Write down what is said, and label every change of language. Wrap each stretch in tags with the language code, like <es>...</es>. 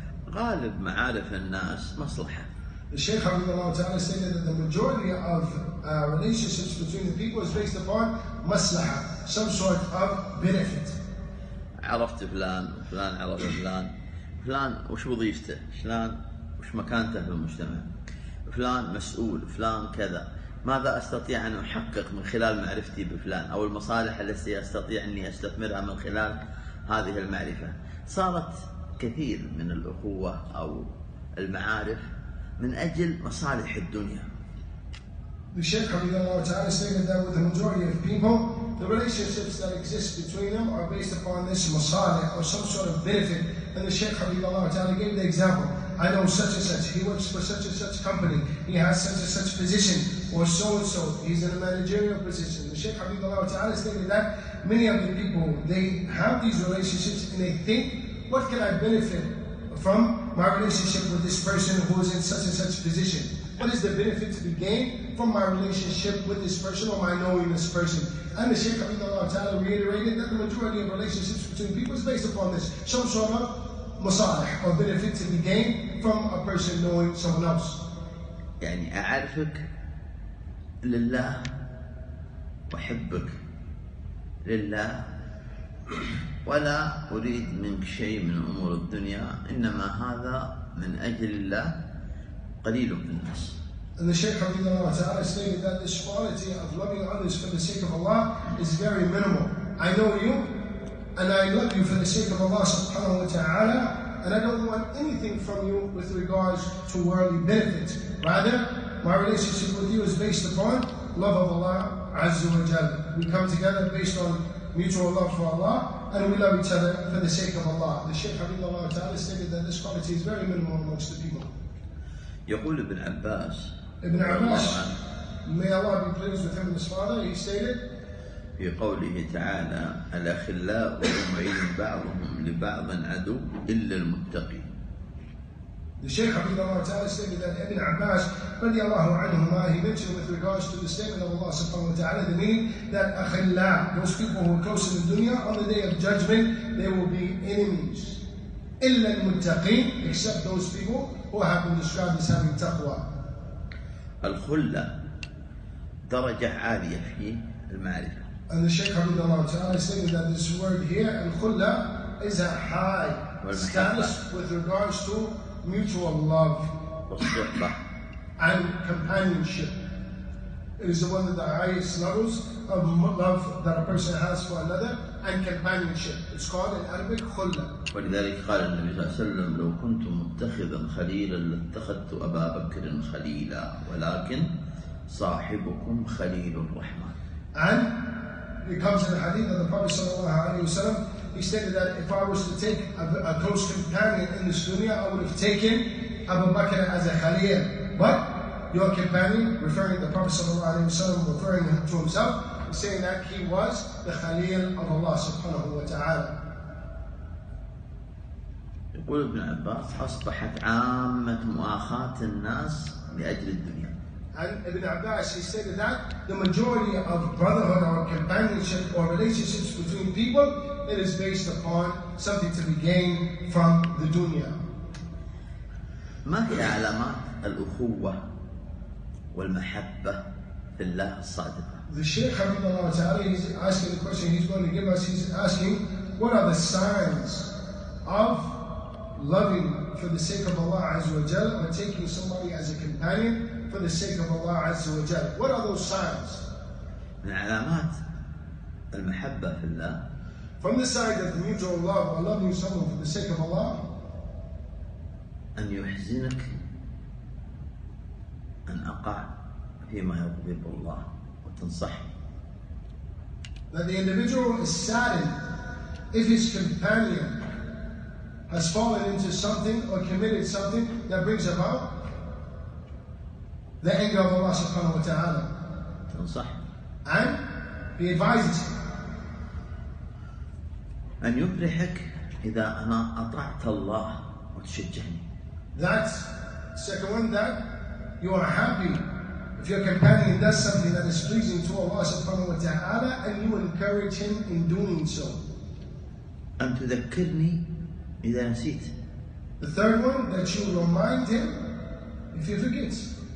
<ar>غالب معارف الناس مصلحة.</ar> <en>The Shaykh Habibullah Ta'ala stated that the majority of relationships between the people is based upon maslaha, some sort of benefit.</en> <ar>عرفت فلان فلان عرف فلان فلان وش وظيفته فلان وش مكانته في المجتمع فلان مسؤول فلان كذا ماذا أستطيع أن أحقق من خلال معرفتي بفلان أو المصالح التي أستطيع أني أستثمرها من خلال هذه المعرفة. صارت كثير من الأخوة أو المعارف من أجل مصالح الدنيا.</ar> <en>The Shaykh Habibullah Ta'ala stated that with the majority of people, the relationships that exist between them are based upon this masalih or some sort of benefit. And the Shaykh Habibullah Ta'ala gave the example, I know such and such, he works for such and such company, he has such and such position, or so and so, he's in a managerial position. The Shaykh Habibullah Ta'ala stated that many of the people, they have these relationships and they think, what can I benefit from my relationship with this person who is in such and such position? What is the benefit to be gained from my relationship with this person or my knowing this person? And the Shaykh Habibullah Ta'ala reiterated that the majority of relationships between people is based upon this. Some sort of masalih or benefit to be gained from a person knowing someone else. يعني أعرفك لله وحبك لله ولا أريد منك شيء من أمور الدنيا إنما هذا من أجل الله قليل من الناس. And the Shaykh Habibullah Ta'ala stated that this quality of loving others for the sake of Allah is very minimal. I know you and I love you for the sake of Allah subhanahu wa ta'ala, and I don't want anything from you with regards to worldly benefits. Rather, my relationship with you is based upon love of Allah Azza wa Jalla. We come together based on mutual love for Allah, and we love each other for the sake of Allah. The Shaykh Habibullah Ta'ala stated that this quality is very minimal amongst the people.</en> <ar>يقول ابن عباس</ar> <en>ابن عباس may Allah be pleased with him and his father, he stated</en> <ar>في قوله تعالى الأخلاء يومئذ بعضهم لبعض عدو إلا المتقين.</ar> <en>The Shaykh Habibullah Ta'ala stated that Ibn Abbas</en> <ar>رضي الله عنهما,</ar> <en>he mentioned with regards to the statement of Allah subhanahu wa ta'ala, the meaning that أخلاء, those people who are close in the dunya, on the day of judgment they will be enemies.</en> <ar>إلا المتقين,</ar> <en>except those people who have been described as having taqwa.</en> <ar>الخلة درجة عالية في المعرفة.</ar> <en>And the Shaykh Habibullah Ta'ala stated that this word here, الخلة, is a high status with regards to mutual love and companionship. It is one of the highest levels of love that a person has for another and companionship. It's called in Arabic khulla.</en> <ar>ولذلك قال النبي صلى الله عليه وسلم لو كنت متخذا خليلا لاتخذت أبا بكر خليلا ولكن صاحبكم خليل الرحمن.</ar> <en>And it comes in the hadith of the Prophet sallallahu alaihi wasallam. He stated that if I was to take a close companion in this dunya, I would have taken Abu Bakr as a khalil. But your companion, referring to the Prophet sallallahu alaihi wasallam, referring to himself, saying that he was the khalil of Allah subhanahu wa ta'ala.</en> <ar>يقول ابن عباس أصبحت عامة مؤاخاة الناس لأجل الدنيا.</ar> <en>And Ibn Abbas, he stated that the majority of brotherhood or companionship or relationships between people, it is based upon something to be gained from the dunya.</en> <ar>ما هي علامات الأخوة والمحبة لله الصادقة؟</ar> <en>The Shaykh Habibullah Ta'ala is asking the question he's going to give us. He's asking, what are the signs of loving for the sake of Allah Azza wa Jal, or taking somebody as a companion for the sake of Allah Azza wa Jal? What are those signs?</en> <ar>من علامات المحبة في الله.</ar> <en>From the side of the mutual love, or loving someone for the sake of Allah.</en> <ar>أن يحزنك أن أقع فيما يغضب الله وتنصح.</ar> <en>That the individual is saddened if his companion has fallen into something or committed something that brings about the anger of Allah subhanahu wa ta'ala.</en> <ar>تنصح.</ar> <en>And he advises him.</en> <ar>أن يفرحك إذا أنا أطعت الله وتشجعني.</ar> <en>That second one, that you are happy if your companion does something that is pleasing to Allah subhanahu wa ta'ala and you encourage him in doing so.</en> <ar>أن تذكرني إذا نسيت.</ar> <en>The third one, that you remind him if he forgets.</en>